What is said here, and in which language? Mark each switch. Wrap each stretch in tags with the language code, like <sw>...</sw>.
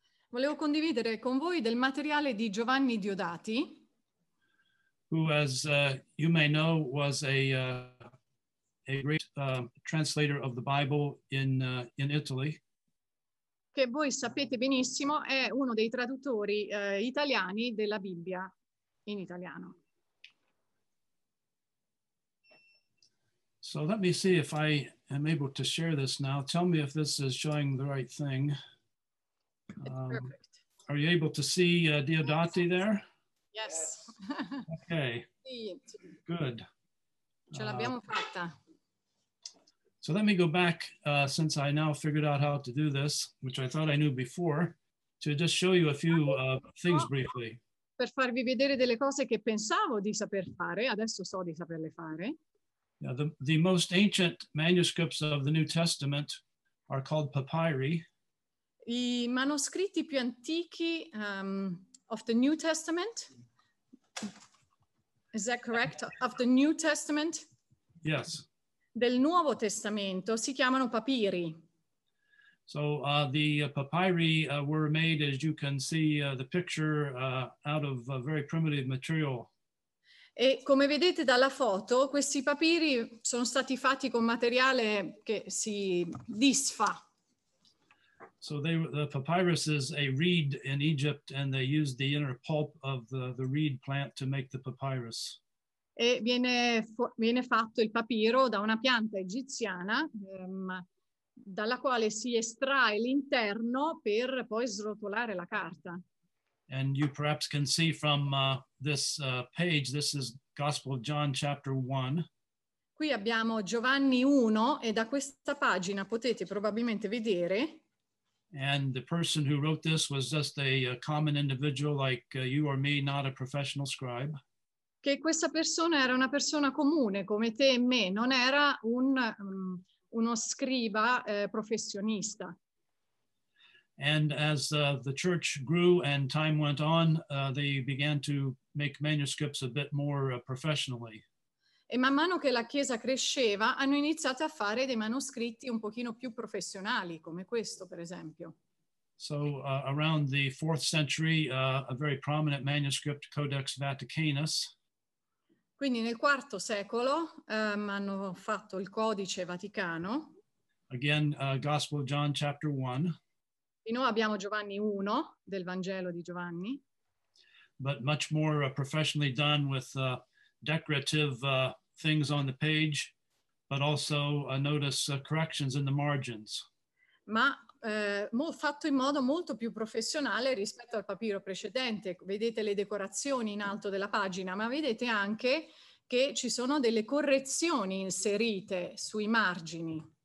<it>Volevo condividere con voi del materiale di Giovanni Diodati,</it> <en>who, as you may know, was a great translator of the Bible in Italy.</en> <it>Che voi sapete benissimo è uno dei traduttori italiani della Bibbia in italiano.</it> <en>So let me see if I am able to share this now. Tell me if this is showing the right thing. Perfect. Are you able to see Diodati there? Yes. Okay. Good.</en> <it>Ce l'abbiamo fatta.</it> <en>So let me go back, since I now figured out how to do this, which I thought I knew before, to just show you a few things briefly.</en> <it>Per farvi vedere delle cose che pensavo di saper fare, adesso so di saperle fare.</it> <en>Yeah, the most ancient manuscripts of the New Testament are called papyri.</en> <it>I manoscritti più antichi</it> <en>of the New Testament? Is that correct? Of the New Testament? Yes.</en> <it>Del Nuovo Testamento si chiamano papiri.</it> <en>So the papyri were made, as you can see, the picture out of very primitive material.</en> <it>E come vedete dalla foto, questi papiri sono stati fatti con materiale che si disfa.</it> <en>So the papyrus is a reed in Egypt, and they used the inner pulp of the reed plant to make the papyrus.</en> <it>E viene fatto il papiro da una pianta egiziana, dalla quale si estrae l'interno per poi srotolare la carta.</it> <en>And you perhaps can see from this page, this is Gospel of John chapter 1.</en> <it>Qui abbiamo Giovanni 1 e da questa pagina potete probabilmente vedere.</it> <en>And the person who wrote this was just a common individual like you or me, not a professional scribe.</en> <it>Che questa persona era una persona comune come te e me, non era uno scriba professionista.</it> <en>And as the church grew and time went on, they began to make manuscripts a bit more professionally.</en> <it>E man mano che la chiesa cresceva, hanno iniziato a fare dei manoscritti un pochino più professionali, come questo, per esempio.</it> <en>So around the 4th century, a very prominent manuscript, Codex Vaticanus.</en> <it>Quindi nel 4 secolo hanno fatto il Codice Vaticano.</it> <en>Again, Gospel of John chapter 1.</en> <it>Di nuovo abbiamo Giovanni 1 del Vangelo di Giovanni.</it> <en>But much more professionally done with decorative things on the page, but also notice corrections in the margins.</en> <it>Ma fatto in modo molto più professionale rispetto al papiro precedente. Vedete le decorazioni in alto della pagina, ma vedete anche che ci sono delle correzioni inserite sui margini.</it>